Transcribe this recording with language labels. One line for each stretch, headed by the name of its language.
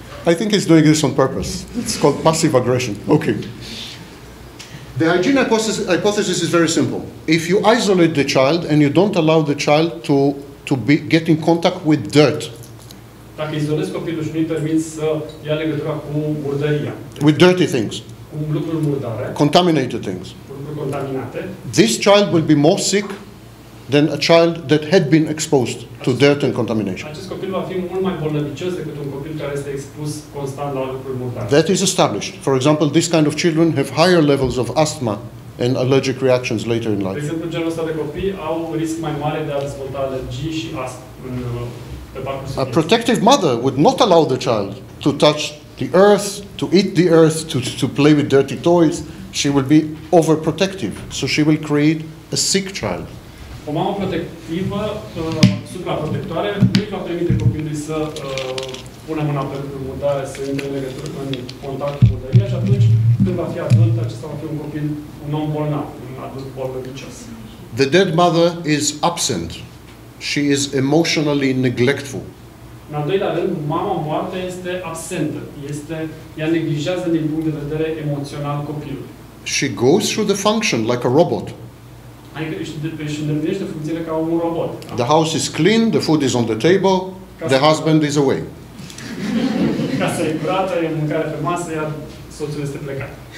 English: I think he's doing this on purpose. It's called passive aggression. Okay. The hygiene hypothesis is very simple. If you isolate the child and you don't allow the child to be get in contact with dirt.
Romanian: Dacă izolezi copilul și nu-i permiți să ia legătura cu murdăria.
English: With dirty things.
Romanian: Cu lucruri murdare.
English: Contaminated things.
Romanian: Lucruri contaminate.
English: This child will be more sick than a child that had been exposed to dirt and contamination.
Romanian: Acest copil va fi mult mai bolnavicios decât un copil care este expus constant la lucruri murdare.
English: That is established. For example, this kind of children have higher levels of asthma and allergic reactions later in life.
Romanian: De exemplu, genul ăsta de copii au risc mai mare de a dezvolta alergii și astm în parcursul vieții.
English: A protective mother would not allow the child to touch the earth, to eat the earth, to play with dirty toys. She will be overprotective, so she will create a sick child.
Romanian: O mamă protectivă, supraprotectoare, nu-i va permite copilului să pună mâna pe mutare, să intre în legătură, în contact cu mutăria și atunci când va fi adult, acesta va fi un copil, un om bolnav, un adult bolnavicios.
English: The dead mother is absent. She is emotionally neglectful.
Romanian: În al doilea rând, mama moartă este absentă. Este, ea neglijează din punct de vedere emoțional copilul.
English: She goes through the function like a robot.
Romanian: Adică își îndeplinește funcțiile ca un robot.
English: The house is clean, the food is on the table, the husband is away.
Romanian: Casa e curată, e mâncare pe masă, iar soțul este plecat.